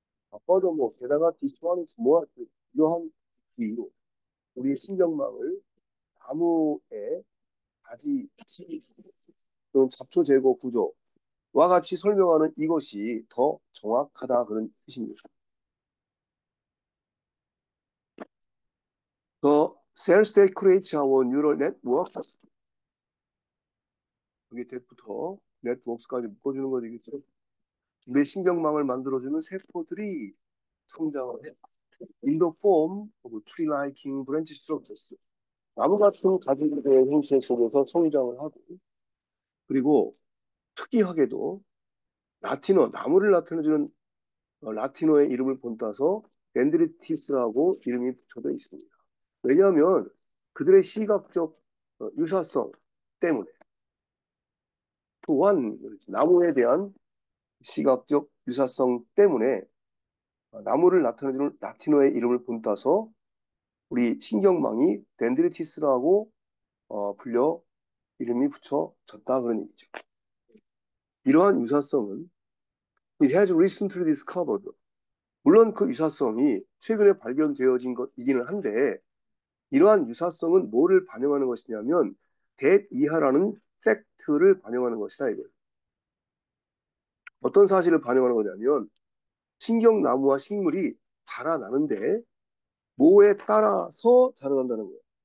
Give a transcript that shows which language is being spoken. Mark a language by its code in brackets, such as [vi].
[ko] 아빠도 뭐, 게다가 [en] this one is more [ko] 필요한 비유. 우리의 신경망을 나무의 가지, 지지, 또는 잡초 제거 구조와 같이 설명하는 이것이 더 정확하다 그런 뜻입니다. [en] The cells that create our neural network. [ko] 여기 that부터 networks까지 묶어주는 거 되겠죠? 내 신경망을 만들어주는 세포들이 성장을 해. [en] In the form of tree-like branch structures. [ko] 나무 같은 가지들의 형태 속에서 성장을 하고, 그리고 특이하게도 나무를 나타내주는 라틴어의 이름을 본따서 덴드리티스라고 이름이 붙여져 있습니다. 왜냐하면 그들의 시각적 유사성 때문에 또한 나무에 대한 시각적 유사성 때문에 나무를 나타내주는 라틴어의 이름을 본따서 우리 신경망이 덴드리티스라고 불려 이름이 붙여졌다 그런 얘기죠. 이러한 유사성은 [en] It has recently discovered. [ko] 물론 그 유사성이 최근에 발견되어진 것이기는 한데 이러한 유사성은 뭐를 반영하는 것이냐면 that 이하라는 팩트를 반영하는 것이다 이거예요. 어떤 사실을 반영하는 거냐면 신경나무와 식물이 자라나는데 뭐에 따라서 자라난다는 거예요.